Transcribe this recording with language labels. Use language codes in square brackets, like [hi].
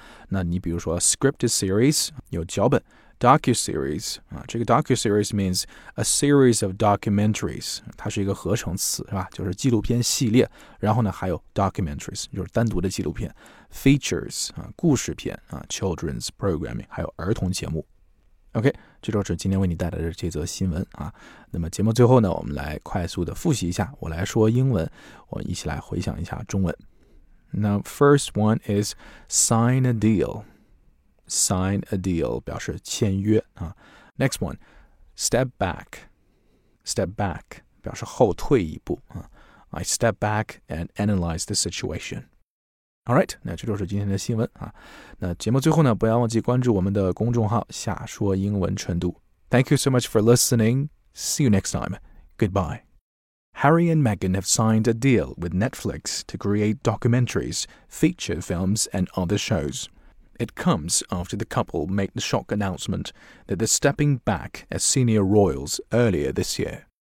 [zh] 那你比如说 scripted series, 有脚本 docuseries, 这个 [en] docuseries means a series of documentaries, [zh] 它是一个合成词就是纪录片系列然后呢还有 documentaries, 就是单独的纪录片 features, 故事片 children's programming, 还有儿童节目。 OK, 这就是今天为你带来的这则新闻那么节目最后呢我们来快速的复习一下我来说英文我们一起来回想一下中文。 [en] Now, first one is sign a deal. Sign a deal [zh] 表示签约 [en] Next one, step back. Step back [zh] 表示后退一步 [en] I step back and analyze the situation. Alright, [zh] 那这就是今天的新闻那节目最后呢不要忘记关注我们的公众号下说英文程度。 [en] Thank you so much for listening. See you next time. Goodbye. Harry and Meghan have signed a deal with Netflix to create documentaries, feature films, and other shows. It comes after the couple made the shock announcement that they're stepping back as senior royals earlier this year.